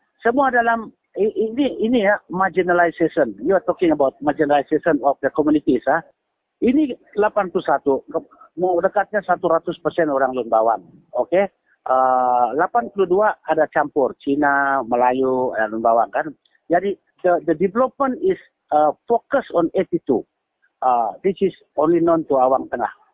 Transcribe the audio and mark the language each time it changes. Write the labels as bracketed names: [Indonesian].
[Malay] Semua dalam ini ya marginalization. [English] You are talking about marginalization of the communities ah. [Malay] Ini 81 mau dekatnya 100% orang Lumbawan. Okey. 82 ada campur Cina, Melayu dan Lumbawan kan. [English] Jadi the development is focus on 82. This is only known to Awang Tengah.